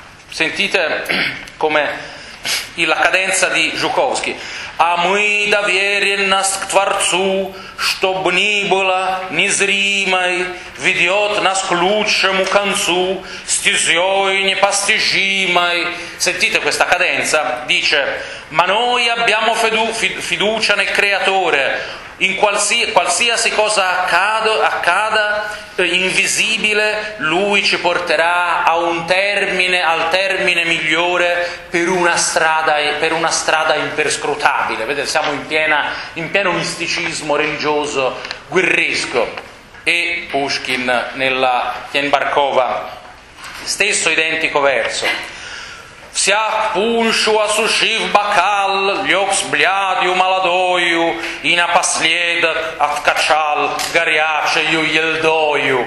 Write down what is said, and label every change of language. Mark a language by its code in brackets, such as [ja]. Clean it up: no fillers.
[it] Sentite come la cadenza di Zhukovsky. [ru] A muy доверен нас к Творцу, чтоб ни было незримой, ведет нас к лучшему концу, стезей непостижимой. [it] Sentite questa cadenza, dice: ma noi abbiamo fiducia nel Creatore, in qualsiasi cosa accada, invisibile, lui ci porterà a un termine, al termine migliore, per una strada imperscrutabile. Vedete, siamo in pieno misticismo religioso guerresco. E Pushkin nella Tienbarkova, stesso identico verso. [ru] Вся пуншу осушив бокал, лег с блядью молодою и напоследок откачал горячею ельдою.